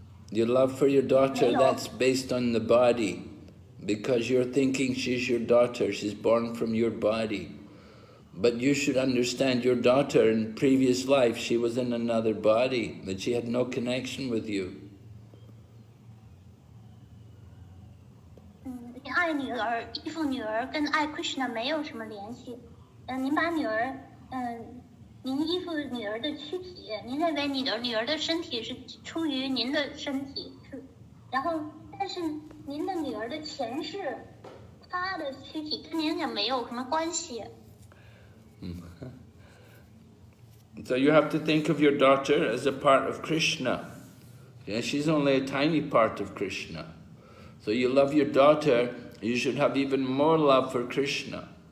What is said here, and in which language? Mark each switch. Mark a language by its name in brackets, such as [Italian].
[English] Your love for your daughter, that's based on the body, because you're thinking she's your daughter, she's born from your body. But you should understand your daughter in previous life, she was in another body, but she had no connection with you. [Chinese] 爱女儿，依附女儿跟爱 Krishna 没有什么联系。您把女儿，您依附女儿的躯体，您认为你的女儿的身体是出于您的身体，然后但是您的女儿的前世，她的躯体跟您也没有什么关系。 [English] So you have to think of your daughter as a part of Krishna. Yeah, she's only a tiny part of Krishna. So you love your daughter, you should have even more love for Krishna.